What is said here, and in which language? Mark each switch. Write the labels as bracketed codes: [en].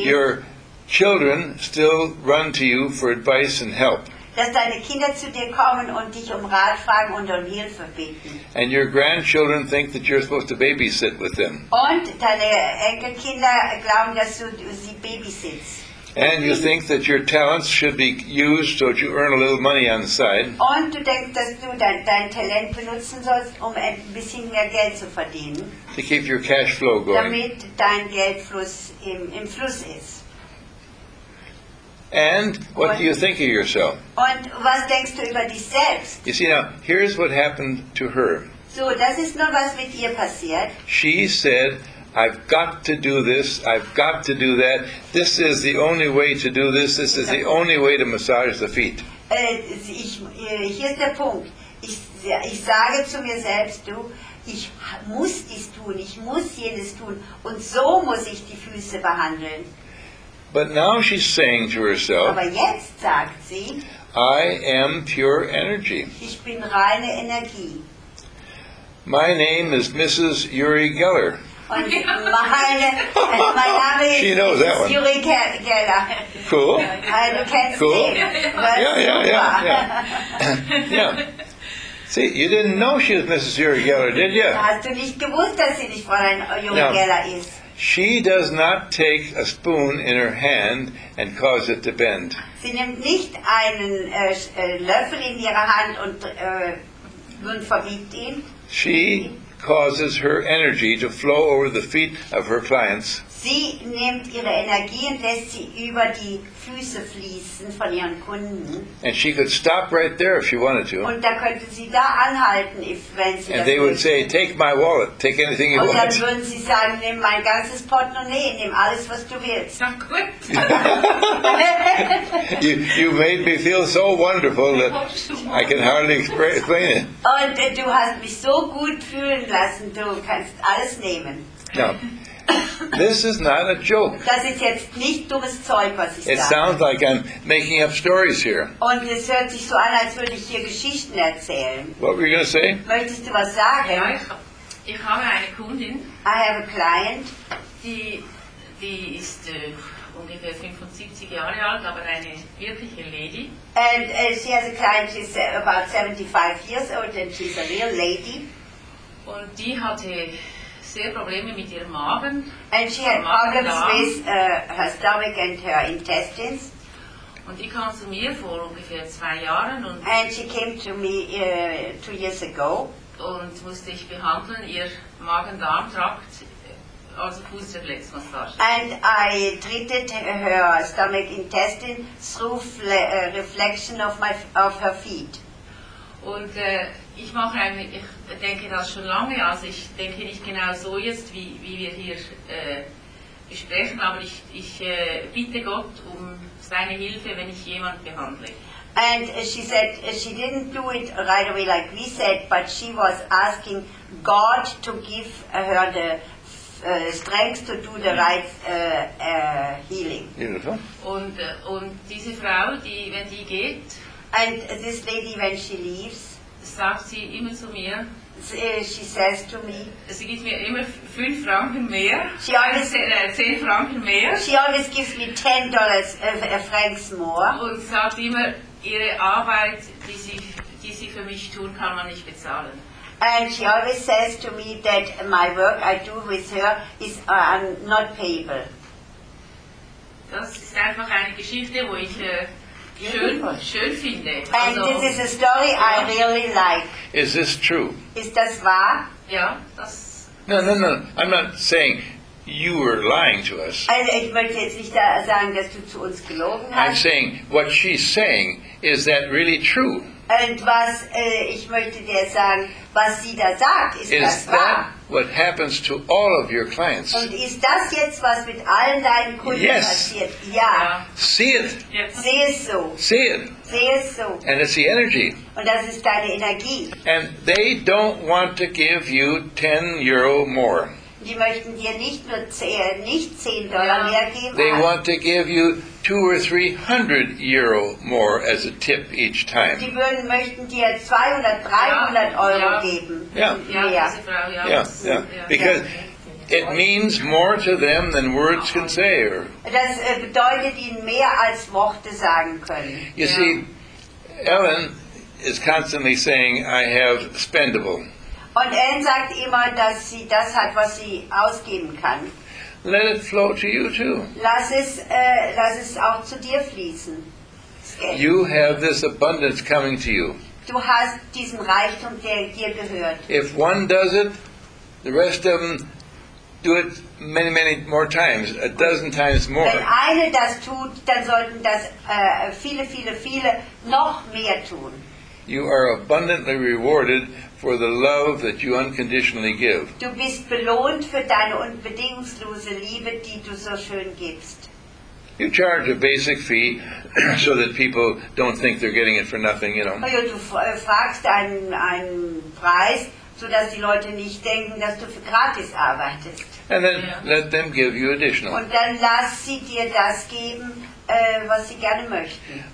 [en] your children still run to you for advice and help. [de] Dass deine Kinder zu dir kommen und dich um Rat fragen und um Hilfe bitten. [en] And your grandchildren think that you're supposed to babysit with them. [de] Und deine Enkelkinder glauben, dass du sie babysitzt. [en] And you think that your talents should be used so that you earn a little money on the side. [de] Und du denkst, dass du dein Talent benutzen sollst, um ein bisschen mehr Geld zu verdienen. [en] To keep your cash flow going. [de] Damit dein Geldfluss im Fluss ist. [en] And what do you think of yourself? [de] Und was denkst du über dich selbst? [en] You see, now, here's what happened to her. [de] So, das ist nur was mit ihr passiert. [en] She said, I've got to do this, I've got to do that. This is the only way to do this, this is the only way to massage the feet. [de] Hier ist der Punkt. Ich sage zu mir selbst, du, ich muss dies tun, ich muss jenes tun, und so muss ich die Füße behandeln. [en] But now she's saying to herself, [de] aber jetzt sagt sie, [en] I am pure energy. [de] Ich bin reine Energie. [en] My name is Mrs. Uri Geller. [de] Und mein Name ist [en] she knows Mrs. That one. Uri Geller. Cool. [de] Du kennst cool. Sie. [en] Yeah. Yeah. See, you didn't know she was Mrs. Uri Geller, did you? [de] Hast du nicht gewusst, dass sie nicht Fräulein Uri Geller ist? [en] She does not take a spoon in her hand and cause it to bend. [de] Sie nimmt nicht einen Löffel in ihre Hand und verbiegt ihn. [en] She causes her energy to flow over the feet of her clients. [de] Sie nimmt ihre Energie und lässt sie über die Füße fließen von ihren Kunden. [en] And she could stop right there if she wanted to. [de] Und da könnte sie da anhalten, wenn sie. [en] And they would say, take my wallet, take anything you want. [de] Und dann würden sie sagen, nimm mein ganzes Portemonnaie, nimm alles, was du willst. So gut. [en] You made me feel so wonderful that I can hardly explain it. [de] Und du hast mich so gut fühlen lassen, du kannst alles nehmen. [en] No. This is not a joke. [de] Das ist jetzt nicht dummes Zeug, was ich [en] it [de] sage. [en] It sounds like I'm making up stories here. [de] Und es hört sich so an, als würde ich hier Geschichten erzählen. [en] What were you going to say? [de] Möchtest du was sagen? Ja, ich habe eine Kundin. [en] I have a client. [de] Die ist ungefähr 75 Jahre alt, aber eine wirkliche Lady. [en] And she has a client, she's about 75 years old and she's a real lady. [de] Und die hatte sehr Probleme mit ihrem Magen. [en] And she had problems with her stomach and her intestines. [de] Und die kam zu mir vor ungefähr 2 Jahren. Und [en] and she came to me 2 years ago. [de] Und musste ich behandeln, ihr Magen-Darm-Trakt, also Fußreflexmassage. [en] And I treated her stomach intestine through reflection of her feet. [de] Und ich denke das schon lange, also ich denke nicht genau so jetzt, wie wir hier besprechen, aber ich bitte Gott um seine Hilfe, wenn ich jemanden behandle. [en] And she said she didn't do it right away like we said, but she was asking God to give her the strength to do the right healing. [de] Und diese Frau, die wenn die geht, [en] and this lady, when she leaves, [de] sagt sie immer zu mir, [en] she says to me, [de] sie gibt mir immer 5 Franken mehr. [en] She always, [de] 10 Franken mehr. [en] She always gives me $10 more. [de] Und sagt immer, ihre Arbeit, die sie für mich tun, kann man nicht bezahlen. [en] And she always says to me that my work I do with her is not payable. [de] Das ist einfach eine Geschichte, wo ich schön finde. [en] And [de] also, [en] this is a story I really like. Is this true? [de] Ist das wahr? Ja, das. [en] No. I'm not saying you were lying to us. [de] Also ich möchte jetzt nicht da sagen, dass du zu uns gelogen hast. [en] I'm saying what she's saying is that really true? [de] Und was ich möchte dir sagen, was sie da sagt, ist [en] is [de] das wahr? [en] That what happens to all of your clients? [de] Und ist das jetzt, was mit allen deinen Kunden [en] yes. [de] passiert? Ja. [en] See it. [de] Sehe es so. [en] See it. [de] Sehe es so. [en] And it's the energy. [de] Und das ist deine Energie. [en] And they don't want to give you 10 Euro more. [de] Die möchten dir nicht 10 Dollar mehr geben. [en] They want to give you 200 or 300 Euro more as a tip each time. [de] Die würden möchten dir 200 or 300 Euro geben. [en] Yeah. Because it means more to them than words can say. Or [de] das bedeutet ihnen mehr als Worte sagen können. [en] You see, Ellen is constantly saying, "I have spendable." [de] Und Ellen sagt immer, dass sie das hat, was sie ausgeben kann. [en] Let it flow to you too. [de] Lass es auch zu dir fließen. [en] You have this abundance coming to you. [de] Du hast diesen Reichtum, der dir gehört. [en] If one does it, the rest of them do it many, many more times, a dozen times more. [de] Wenn eine das tut, dann sollten das viele, viele, viele noch mehr tun. [en] You are abundantly rewarded for the love that you unconditionally give. [de] Du bist belohnt für deine unbedingungslose Liebe, die du so schön gibst. [en] You charge a basic fee so that people don't think they're getting it for nothing, you know. [de] Ja, du fragst einen Preis, so dass die Leute nicht denken, dass du für gratis arbeitest. [en] And then let them give you additional. [de] Und dann lass sie dir das geben, was sie gerne möchten.